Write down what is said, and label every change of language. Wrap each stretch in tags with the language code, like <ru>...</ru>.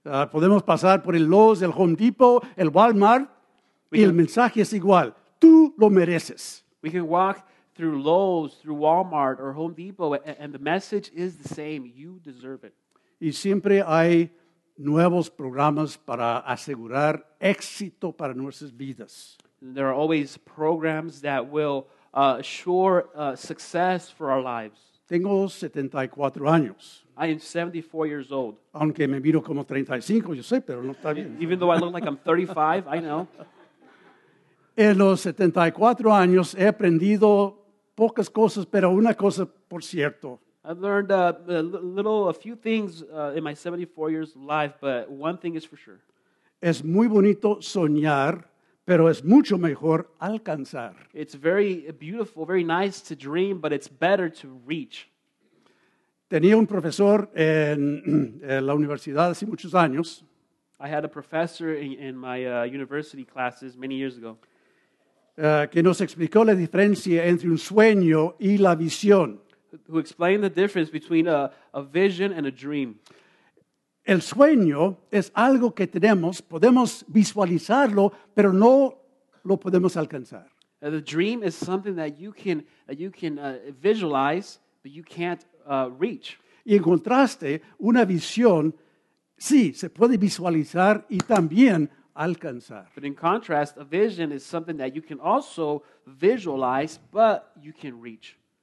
<es>Podemos pasar por el Lowe's, el Home Depot, el Walmart. Y el mensaje es igual. Tú lo mereces.</es> <en>We can walk through Lowe's, through Walmart, or Home Depot, and the message is the same. You deserve it.</en> <es>Y siempre hay nuevos programas para asegurar éxito para nuestras vidas.</es> <en>There are always programs that will assure success for our lives.</en> <es>Tengo 74 años.</es> <en>I am 74 years old.</en> <es>Aunque me miro como 35, yo sé, pero no está bien.</es> <en>Even though I look like I'm 35, I know.</en> <es>En los 74 años he aprendido pocas cosas, pero una cosa por cierto.</es> <en>I've learned a few things in my 74 years of life, but one thing is for sure.</en> <es>Es muy bonito soñar, pero es mucho mejor alcanzar.</es> <en>It's very beautiful, very nice to dream, but it's better to reach.</en> <es>Tenía un profesor en la universidad hace muchos años.</es> <en>I had a professor in my university classes many years ago.</en> <es>Que nos explicó la diferencia entre un sueño y la visión.</es> <en>Who explained the difference between a vision and a dream.</en> <es>El sueño es algo que tenemos, podemos visualizarlo, pero no lo podemos alcanzar.</es> <en>The dream is something that you can visualize, but you can't reach.</en> <es>Y en contraste, una visión, sí, se puede visualizar y también alcanzar.</es> <en>But in contrast, a vision is something that you can also visualize, but you can reach.</en>